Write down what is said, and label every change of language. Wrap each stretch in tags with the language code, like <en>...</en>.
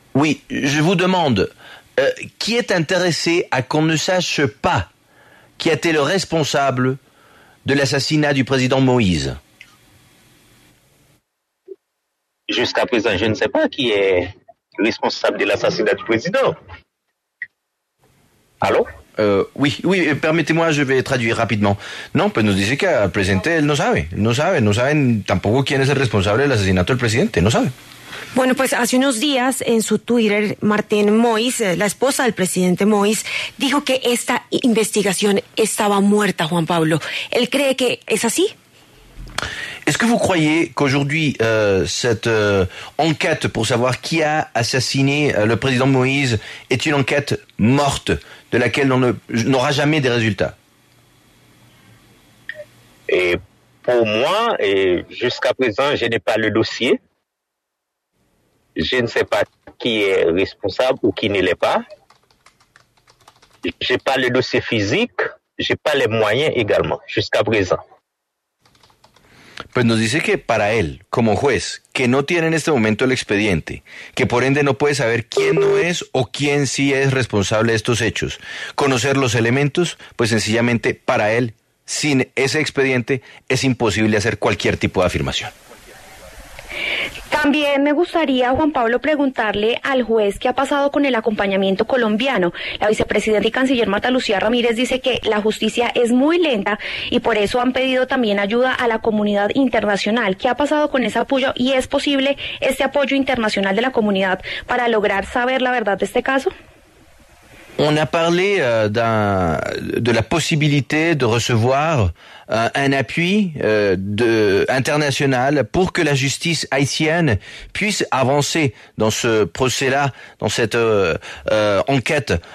<fr>Oui, je vous demande, qui est intéressé à qu'on ne sache pas qui a été le responsable de l'assassinat du président Moïse ? Jusqu'à présent, je ne sais pas qui est responsable de l'assassinat du président. Allô? Oui, oui, permettez-moi, je vais traduire rapidement.</fr> <es>Non, pues nos dice que al presidente él no sabe, no sabe, no saben tampoco quién es el responsable del asesinato del presidente, no sabe. Bueno, pues hace unos días en su Twitter, Martín Moïse, la esposa del presidente Moïse, dijo que esta investigación estaba muerta, Juan Pablo. ¿Él cree que es así?</es> <fr>Est-ce que vous croyez qu'aujourd'hui, cette enquête pour savoir qui a assassiné le président Moïse est une enquête morte, de laquelle on n'aura jamais des résultats? Et pour moi, et jusqu'à présent, je n'ai pas le dossier. Je ne sais pas qui est responsable ou qui ne l'est pas. Je n'ai pas le dossier physique, je n'ai pas les moyens également, jusqu'à présent.</fr> <es>Pues nos dice que para él, como juez, que no tiene en este momento el expediente, que por ende no puede saber quién no es o quién sí es responsable de estos hechos. Conocer los elementos, pues sencillamente para él, sin ese expediente, es imposible hacer cualquier tipo de afirmación. También me gustaría, Juan Pablo, preguntarle al juez qué ha pasado con el acompañamiento colombiano. La vicepresidenta y canciller Marta Lucía Ramírez dice que la justicia es muy lenta y por eso han pedido también ayuda a la comunidad internacional. ¿Qué ha pasado con ese apoyo y es posible este apoyo internacional de la comunidad para lograr saber la verdad de este caso?</es> <fr>On a parlé de la possibilité de recevoir un appui international pour que la justice haïtienne puisse avancer dans ce procès-là, dans cette enquête.</fr>